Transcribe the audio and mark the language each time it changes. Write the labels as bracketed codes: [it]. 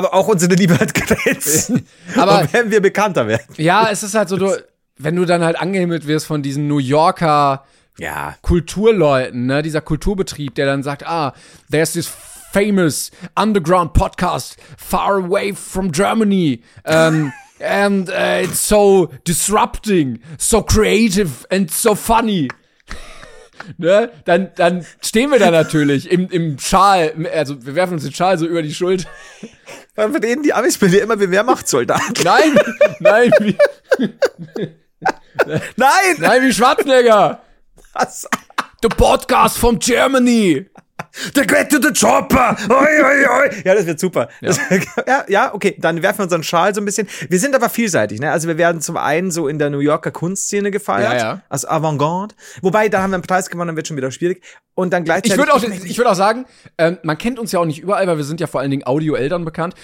[de] auch unsere Liebe hat Grenzen. Aber und wenn wir bekannter werden. Ja, es ist halt so, wenn du dann halt angehimmelt wirst von diesen New Yorker Kulturleuten, ne, dieser Kulturbetrieb, der dann sagt, [en] there's this famous underground podcast far away from Germany. And it's so disrupting, so creative and so funny. [de] Ne? Dann stehen wir da natürlich im Schal, also wir werfen uns den Schal so über die Schulter. Dann reden die Amis bei dir immer wie Wehrmachtssoldaten. Nein. Nein, wie Schwarzenegger. Was? [en] The Podcast from Germany. [de] Der [en] Great to the Chopper. [de] Oi, oi, oi. Ja, das wird super. Ja. Ja, okay, dann werfen wir unseren Schal so ein bisschen. Wir sind aber vielseitig, ne? Also wir werden zum einen so in der New Yorker Kunstszene gefeiert, als Avantgarde. Wobei, da haben wir einen Preis gewonnen, dann wird schon wieder schwierig. Und dann gleichzeitig. Ich würde auch sagen, man kennt uns ja auch nicht überall, weil wir sind ja vor allen Dingen Audio-Eltern bekannt.